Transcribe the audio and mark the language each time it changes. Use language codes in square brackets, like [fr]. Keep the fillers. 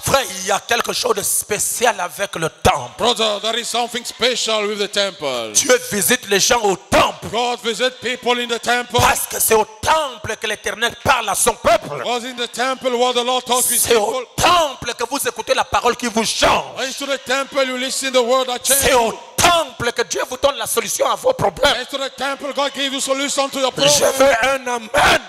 [fr] Frère, il y a quelque chose de spécial avec le temple. [en] Brother, there is something special with the temple. [fr] Dieu visite les gens au temple. [en] Visit in the temple. [fr] Parce que c'est au temple que l'Éternel parle à son peuple. C'est au temple que vous écoutez la parole qui vous change. C'est au temple que Dieu vous donne la solution à vos problèmes. Je veux un amen.